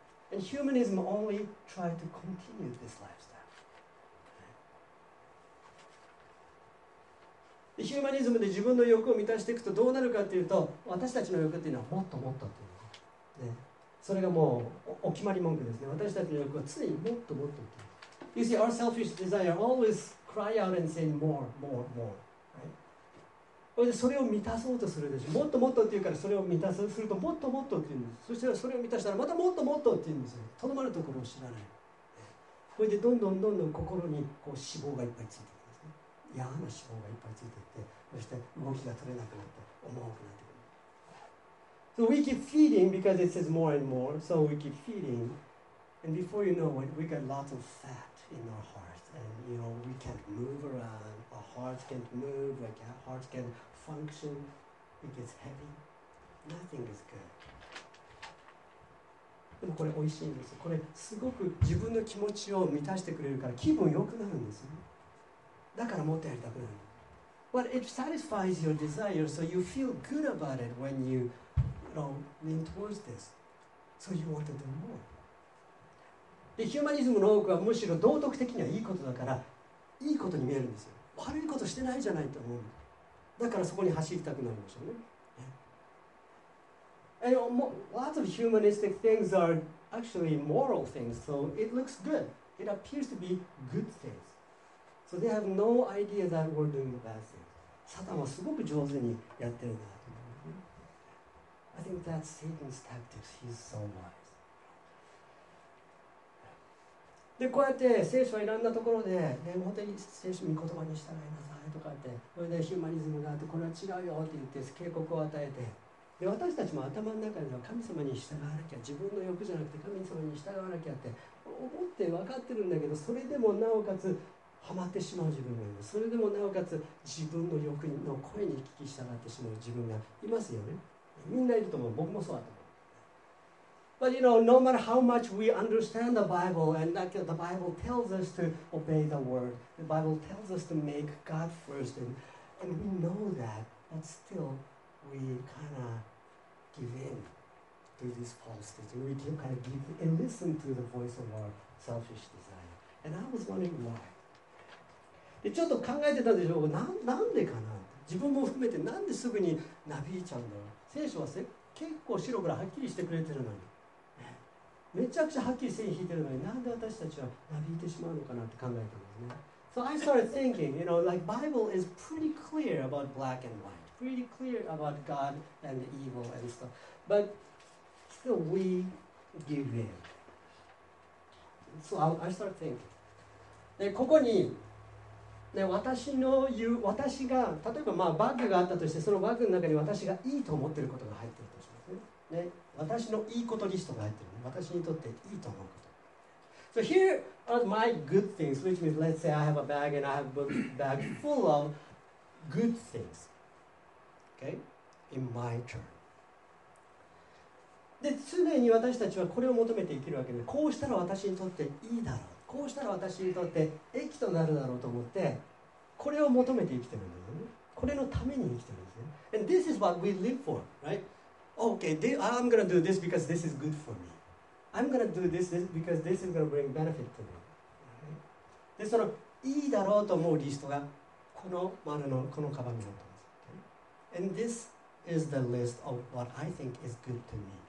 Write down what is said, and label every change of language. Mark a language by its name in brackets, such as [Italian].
[English] And humanism only tried to continue this lifestyle. [Japanese] ヒューマニズムで自分の欲を満たしていくとどうなるかというと、私たちの欲というのはもっともっとというの、ね、それがもう お決まり文句ですね。私たちの欲は常にもっともっとという。 [English] You see, our selfish desire always cry out and say more, more, more.、 Right? [Japanese] それでそれを満たそうとするでしょ。もっともっとというから、それを満たそうするともっともっとというんです。そしてそれを満たしたらまたもっともっとというんですよ。とどまるところを知らない。それでどんどんどんどん心にこう脂肪がいっぱいついてくる。嫌な脂肪がいっぱいついていって、そして動きが取れなくなって、重くなってくる。 [English] So we keep feeding because it says more and more. So we keep feeding, and before you know it, we got lots of fat in our hearts, and you know we can't move around. Our hearts can't move. Like our hearts can't function. It gets heavy. Nothing is good. [Japanese] でもこれ美味しいんです。これすごく自分の気持ちを満たしてくれるから気分良くなるんですよ。だからもっとやりたくなる。 [English] Well, it satisfies your desire, so you feel good about it when you, you know, lean towards this. So you want to do more. [Japanese] で、ヒューマニズムの多くはむしろ道徳的にはいいことだから、いいことに見えるんですよ。悪いことしてないじゃないと思う。だからそこに走りたくなるんですよね。 [English] And lots of humanistic things are actually moral things, so it looks good. It appears to be good things. So they have no idea that we're doing the bad thing. [Japanese] Satan はすごく上手にやってるなと。 [English] I think that's Satan's tactics. He's so wise. [Japanese] で、こうやって聖書をいろんなところで、ね、本当に聖書の御言葉に従いなさいとかって、それでヒューマニズムがあって、これは違うよって言って警告を与えて、で、私たちも頭の中では神様に従わなきゃ、自分の欲じゃなくて神様に従わなきゃって思って分かってるんだけど、それでもなおかつハマってしまう自分がいる。それでもなおかつ自分の欲の声に聞き従ってしまう自分がいますよね。みんないると思う。僕もそうだと思う。 [English] But you know, no matter how much we understand the Bible and that the Bible tells us to obey the word, the Bible tells us to make God first, and we know that, but still we kind of give in to this false teaching. We kind of give and listen to the voice of our selfish desire. And I was wondering why. [Japanese] ちょっと考えてたでしょう。なんでかな。自分も含めてなんですぐになびいちゃうんだろう。聖書は結構白黒はっきりしてくれてるのに、めちゃくちゃはっきり線引いてるのに、なんで私たちはなびいてしまうのかなって考えたんですね。 [English] So I started thinking, you know, like Bible is pretty clear about black and white, pretty clear about God and evil and stuff, but still we give in. So I started thinking. [Japanese] でここにね、私が例えばまあバッグがあったとして、そのバッグの中に私がいいと思っていることが入っているとしますね。ね、私のいいことリストが入っている、ね、私にとっていいと思うこと。 [English] So here are my good things, which means let's say I have a bag and I have a bag full of good things. Okay, in my turn. [Japanese] で、常に私たちはこれを求めて生きるわけで、こうしたら私にとっていいだろう。こうしたら私にとって益となるだろうと思って、これを求めて生きてるんですよね。これのために生きてるんです。 [English] And this is what we live for, right? Okay, I'm going to do this because this is good for me. I'm going to do this because this is going to bring benefit to me. [Japanese] で、その、いいだろうと思うリストが、この丸の、このカバンになってます。 [English] And this is the list of what I think is good to me.